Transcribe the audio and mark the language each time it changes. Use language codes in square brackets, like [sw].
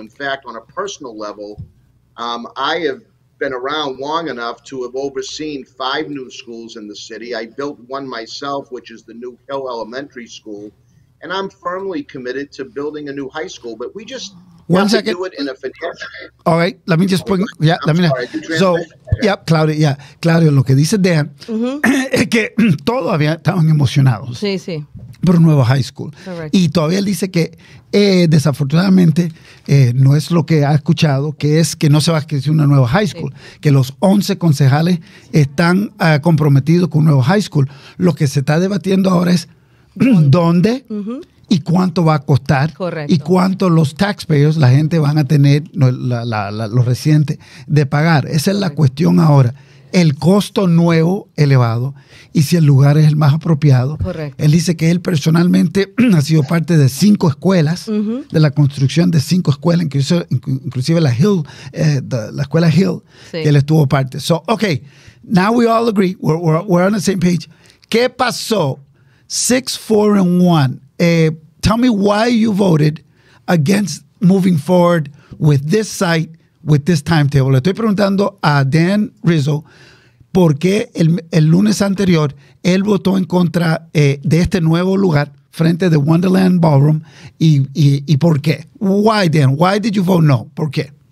[en] In fact, on a personal level, I have been around long enough to have overseen 5 new schools in the city. I built one myself, which is the new Hill Elementary School. And I'm firmly committed to building a new high school. But we just do it in a financial way. All right. Let me just bring. Yeah. I'm let sorry, me. So. Yep, Claudia, yeah. [es] Claudia, lo que dice Dan es que todavía estaban emocionados por un nuevo high school. [en] Correct. [es] Y todavía él dice que desafortunadamente no es lo que ha escuchado, que es que no se va a crecer una nueva high school, que los 11 concejales están comprometidos con un nuevo high school. Lo que se está debatiendo ahora es dónde y cuánto va a costar. Correcto. Y cuánto los taxpayers, la gente, van a tener, los residentes, de pagar. Esa es la cuestión ahora. El costo nuevo elevado y si el lugar es el más apropiado. Correcto. Él dice que él personalmente ha sido parte de 5 escuelas, de la construcción de 5 escuelas, inclusive la Hill, la escuela Hill, que él estuvo parte. [en] So, okay, now we all agree, we're on the same page. [es] ¿Qué pasó? 6-4-1. [en] Tell me why you voted against moving forward with this site, with this timetable. [es] Le estoy preguntando a Dan Rizzo por qué el lunes anterior él votó en contra de este nuevo lugar frente de Wonderland Ballroom y por qué. [en] Why, Dan? Why did you vote no? [es] ¿Por qué?